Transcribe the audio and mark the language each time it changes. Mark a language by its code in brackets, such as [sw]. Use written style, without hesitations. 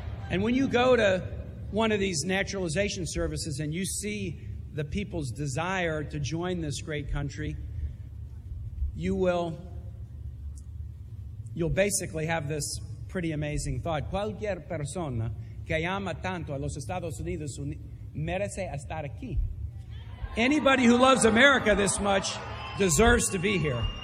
[en] And when you go to one of these naturalization services and you see the people's desire to join this great country, you'll basically have this pretty amazing thought. [es] Cualquier persona que ama tanto a los Estados Unidos merece estar aquí. [en] Anybody who loves America this much deserves to be here.